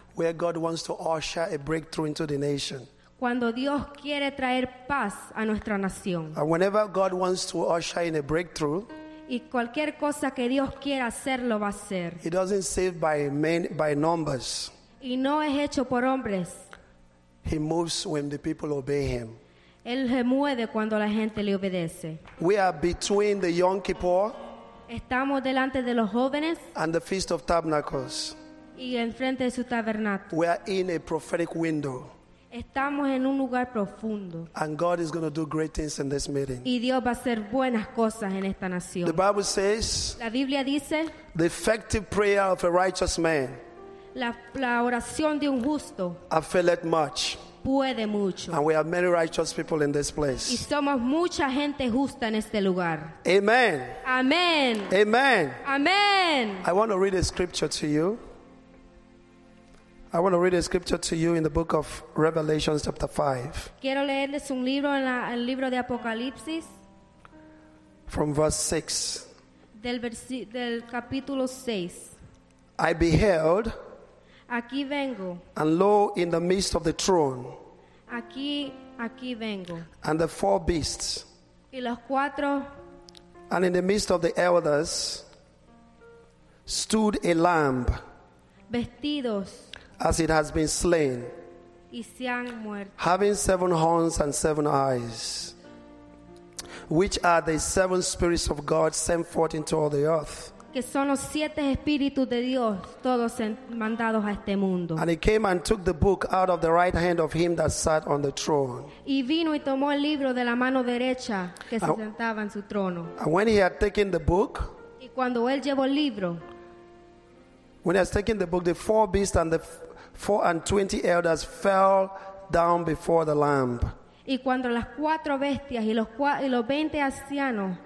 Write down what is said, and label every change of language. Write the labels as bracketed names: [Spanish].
[English] Where God wants to usher a breakthrough into the nation. [Spanish] Cuando Dios quiere traer paz a nuestra nación. [English] And whenever God wants to usher in a breakthrough, [Spanish] y cualquier cosa que Dios quiera hacer, lo va a hacer. [English] He doesn't save by numbers. [Spanish] Y no es hecho por hombres. [English] He moves when the people obey him. [Spanish] Él se mueve cuando la gente le obedece. [English] We are between the Yom Kippur. [Spanish] Estamos delante de los jóvenes. [English] And the Feast of Tabernacles. [Spanish] Y enfrente de su tabernáculo. [English] We are in a prophetic window. [Spanish] Estamos en un lugar profundo. [English] And God is going to do great things in this meeting. [Spanish] Y Dios va a hacer buenas cosas en esta nación. [English] The Bible says. [Spanish] La Biblia dice. [English] The effective prayer of a righteous man. [Spanish] La oración de un justo. [English] Availeth much. [Spanish] Puede mucho. [English] And we have many righteous people in this place. [Spanish] Y somos mucha gente justa en este lugar. [English] Amen. Amen. Amen. Amen. I want to read a scripture to you. I want to read a scripture to you in the book of Revelation chapter 5. [Spanish] Quiero leerles un libro en el libro de Apocalipsis. [English] From verse 6. [Spanish] Del capítulo 6. [English] I beheld. [Spanish] Aquí vengo. [English] And lo, in the midst of the throne. [Spanish] Aquí vengo. [English] And the four beasts. [Spanish] Y los cuatro. [English] And in the midst of the elders. Stood a lamb. [Spanish] Vestidos. [English] As it has been slain, [Spanish] y se han muerto. [English] Having seven horns and seven eyes, which are the seven spirits of God sent forth into all the earth. [Spanish] Que son los siete espíritus de Dios, todos mandados a este mundo. [English] And he came and took the book out of the right hand of him that sat on the throne. [Spanish] Y vino y tomó el libro de la mano derecha que se sentaba en su trono. [English] And when he had taken the book, [Spanish] y cuando él llevó el libro, [English] when he has taken the book, the four beasts and the 24 elders fell down before the Lamb. [Spanish] Y cuando las cuatro bestias y los 20 ancianos,